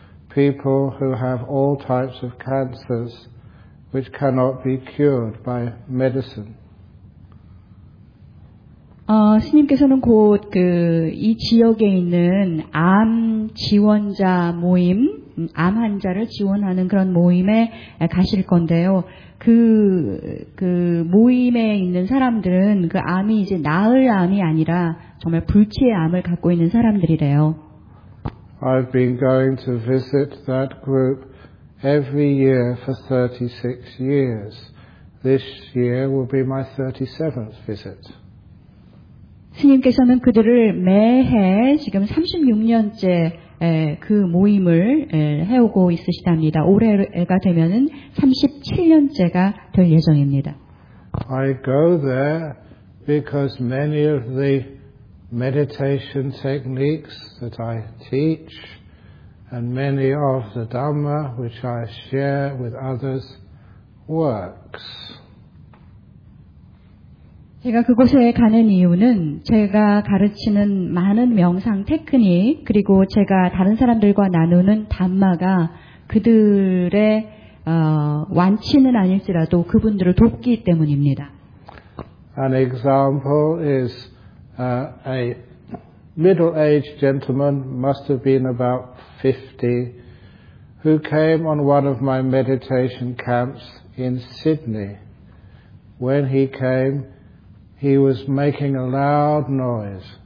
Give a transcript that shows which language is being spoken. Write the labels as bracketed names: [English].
[English] People who have all types of cancers which cannot be cured by medicine. [Korean] 스님께서는 곧 그 이 지역에 있는 암 지원자 모임, 암 환자를 지원하는 그런 모임에 가실 건데요. 그 모임에 있는 사람들은 그 암이 이제 나을 암이 아니라 정말 불치의 암을 갖고 있는 사람들이래요. [English] I've been going to visit that group every year for 36 years. This year will be my 37th visit. [Korean] 스님께서는 그들을 매해 지금 36년째 그 모임을 해오고 있으시답니다. 올해가 되면은 37년째가 될 예정입니다. [English] I go there because many of the meditation techniques that I teach and many of the Dhamma which I share with others works. [Korean] 제가 그곳에 가는 이유는 제가 가르치는 많은 명상 테크닉 그리고 제가 다른 사람들과 나누는 담마가 그들의 완치는 아닐지라도 그분들을 돕기 때문입니다. [English] An example is a middle-aged gentleman, must have been about 50, who came on one of my meditation camps in Sydney. When he came, he was making a loud noise.